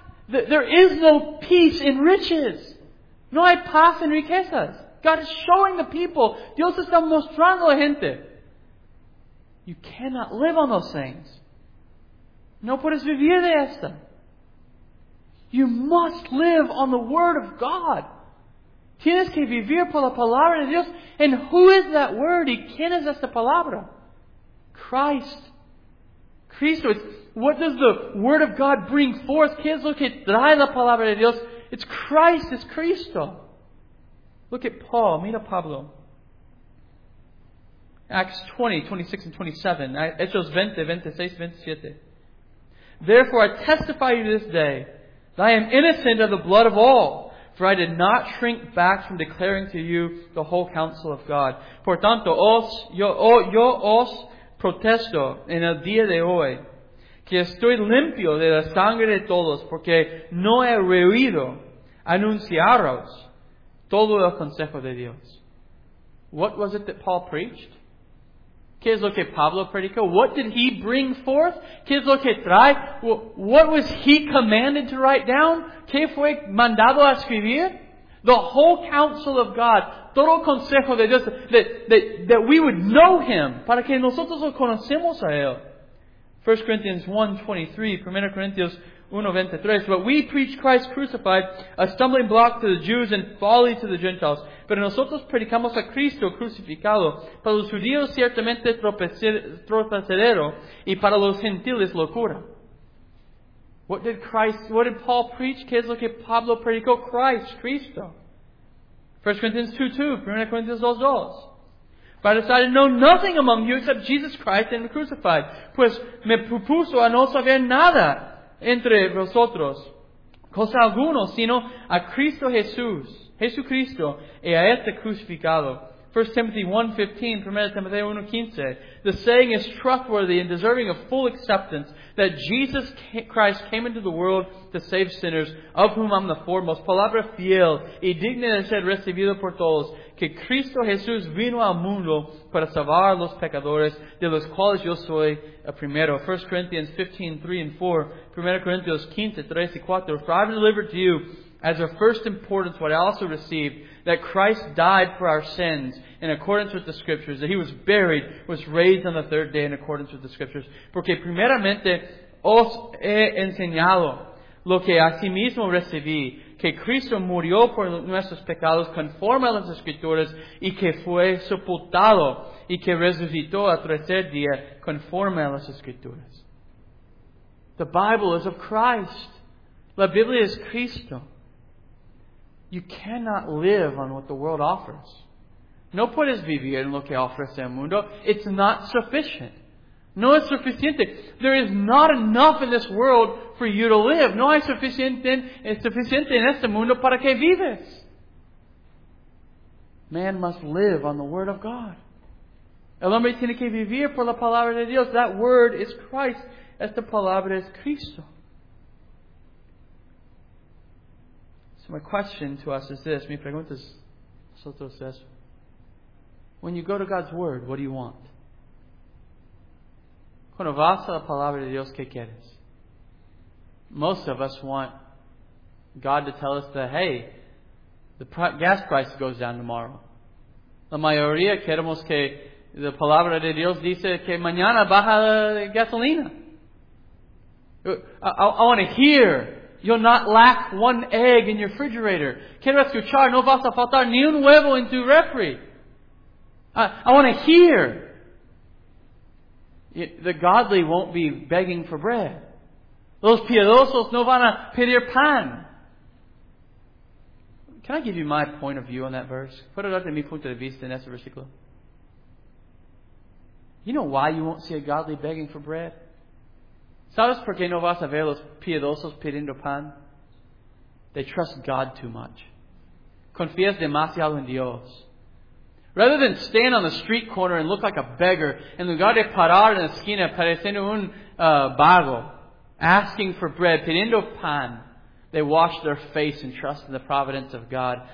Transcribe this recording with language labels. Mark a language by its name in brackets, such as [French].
[English] There is no peace in riches. [Spanish] No hay paz en riquezas. [English] God is showing the people, [Spanish] Dios está mostrando a la gente, [English] you cannot live on those things. No puedes vivir de esta. You must live on the Word of God. [Spanish] Tienes que vivir por la palabra de Dios. [English] And who is that word? [Spanish] ¿Y quién es esta palabra? Christ. Cristo. [English] It's, what does the Word of God bring forth? Kids, look at [Spanish] trae la palabra de Dios. [English] It's Christ. It's Cristo. Look at Paul. [Spanish] Mira Pablo. [English] Acts 20, 26 and 27. [Spanish] Hechos 20, 26, 27. [English] Therefore, I testify to you this day that I am innocent of the blood of all, for I did not shrink back from declaring to you the whole counsel of God. [Spanish] Por tanto, yo os protesto en el día de hoy que estoy limpio de la sangre de todos, porque no he rehuido anunciaros todo el consejo de Dios. [English] What was it that Paul preached? [Spanish] ¿Qué es lo que Pablo predicó? [English] What did he bring forth? [Spanish] ¿Qué es lo que trae? [English] What was he commanded to write down? [Spanish] ¿Qué fue mandado a escribir? [English] The whole counsel of God. [Spanish] Todo consejo de Dios. [English] That we would know Him. [Spanish] Para que nosotros lo conocemos a Él. [English] 1 Corinthians 1:23, 1 Corinthians 1:23. But we preach Christ crucified, a stumbling block to the Jews and folly to the Gentiles. [Spanish] Pero nosotros predicamos a Cristo crucificado, para los judíos ciertamente tropezadero, y para los gentiles locura. [English] What did Paul preach? [Spanish] ¿Qué es lo que Pablo predicó? [English] Christ, Cristo. 1 Corinthians 2:2, 1 Corinthians 2:2. But I decided to know nothing among you except Jesus Christ and crucified. [Spanish] Pues me propuso a no saber nada entre vosotros, cosa alguna, sino a Cristo Jesús, Jesucristo, y a este crucificado. [English] 1 Timothy 1:15, 1 Timothy 1:15. The saying is trustworthy and deserving of full acceptance that Jesus Christ came into the world to save sinners, of whom I'm the foremost. [Spanish] Palabra fiel y digna de ser recibido por todos, que Cristo Jesús vino al mundo para salvar a los pecadores, de los cuales yo soy el primero. [English] 1 Corinthians 15:3 and 4, 1 Corinthians 15:3 and 4. For I've delivered to you as of first importance what I also received, that Christ died for our sins in accordance with the Scriptures, that He was buried, was raised on the third day in accordance with the Scriptures. [Spanish] Porque primeramente os he enseñado lo que asimismo recibí, que Cristo murió por nuestros pecados conforme a las Escrituras, y que fue sepultado, y que resucitó al tercer día conforme a las Escrituras. [English] The Bible is of Christ. [Spanish] La Biblia es Cristo. [English] You cannot live on what the world offers. [Spanish] No puedes vivir en lo que ofrece el mundo. [English] It's not sufficient. [Spanish] No es suficiente. [English] There is not enough in this world for you to live. [Spanish] No hay suficiente en este mundo para que vives. [English] Man must live on the Word of God. [Spanish] El hombre tiene que vivir por la palabra de Dios. [English] That Word is Christ. [Spanish] Esta palabra es Cristo. [English] My question to us is this. [Spanish] Mi pregunta es, nosotros es, [English] when you go to God's Word, what do you want? [Spanish] Cuando vas a la palabra de Dios, ¿qué quieres? [English] Most of us want God to tell us that, hey, the gas price goes down tomorrow. [Spanish] La mayoría queremos que la palabra de Dios dice que mañana baja la gasolina. [English] I want to hear, you'll not lack one egg in your refrigerator. [Spanish] Quiero escuchar, no vas a faltar ni un huevo en tu refri. [English] I want to hear. The godly won't be begging for bread. [Spanish] Los piadosos no van a pedir pan. [English] Can I give you my point of view on that verse? [Spanish] Puedo darte mi punto de vista en ese versículo. [English] You know why you won't see a godly begging for bread? [Spanish] ¿Sabes por qué no vas a ver los piedosos pidiendo pan? [English] They trust God too much. [Spanish] Confías demasiado en Dios. [English] Rather than stand on the street corner and look like a beggar, [Spanish] en lugar de parar en la esquina pareciendo un vago, [English] asking for bread, [Spanish] pidiendo pan, [English] they wash their face and trust in the providence of God.